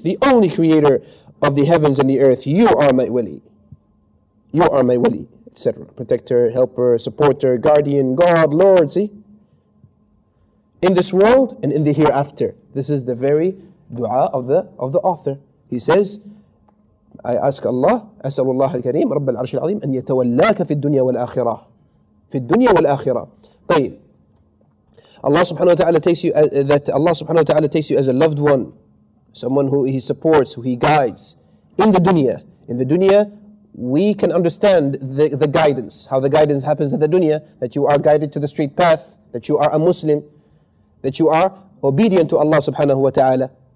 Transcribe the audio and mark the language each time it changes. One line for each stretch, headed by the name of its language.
English: The only creator of the heavens and the earth, you are my wali. You are my wali, etc. Protector, helper, supporter, guardian, God, Lord, see? In this world and in the hereafter. This is the very dua of the author. He says, I ask Allah,
Arabic: أسأل الله الكريم رب العرش العظيم أن يتولاك في الدنيا والآخرة. في الدنيا والآخرة. طيب.
English: Allah subhanahu wa ta'ala takes you that Allah subhanahu wa ta'ala takes you as a loved one, someone who he supports, who he guides in the dunya. In the dunya, we can understand the guidance, how the guidance happens in the dunya, that you are guided to the straight path, that you are a Muslim, that you are obedient to Allah subhanahu wa ta'ala.